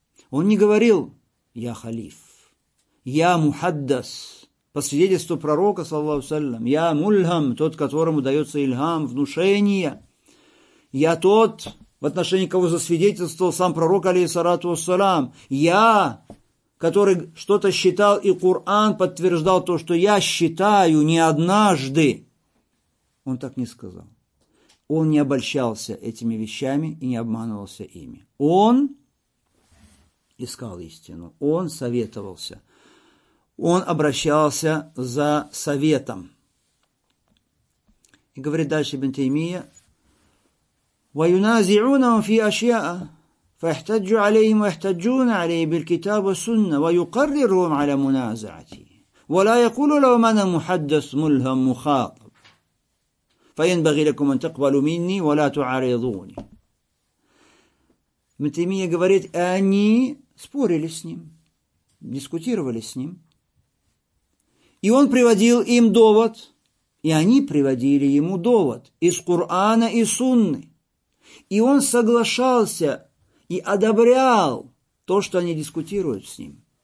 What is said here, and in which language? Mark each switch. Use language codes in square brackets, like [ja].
[ru] Он не говорил «Я халиф», «Я мухаддас», по свидетельству пророка, саллаллаху алейхи ва саллям, «Я мульхам», тот, которому дается ильхам, внушение, «Я тот», в отношении кого засвидетельствовал сам пророк, алейхиссалату вассалям, «Я», который что-то считал, и Коран подтверждал то, что «Я считаю не однажды». Он так не сказал. Он не обольщался этими вещами и не обманывался ими. Он искал истину, он советовался, он обращался за советом. И говорит дальше ибн Таймия: [ar] وَيُنَازِعُونَهُمْ فِي أَشْيَاءَ فَاحْتَجُوا عَلَيْهِمْ وَاحْتَجُونَ عَلَيْهِ بِالْكِتَابِ وَالسُّنَّةِ وَيُقَرِّرُهُمْ عَلَى مُنَازَعَتِهِ وَلَا يَقُولُ لَوْ مَنَ مُحَدَّثٌ مُلْهَمٌ مُخَاطَبٌ فَيَنْبَغِي لَكُمْ أَنْ تَقْبَلُوا مِنِّي وَلَا تُعَارِضُونِ. [ru] Ибн Таймия говорит, они спорили с ним, дискутировали с ним. И он приводил им довод, и они приводили ему довод из Корана и Сунны. И он соглашался и одобрял то, что они дискутируют с ним.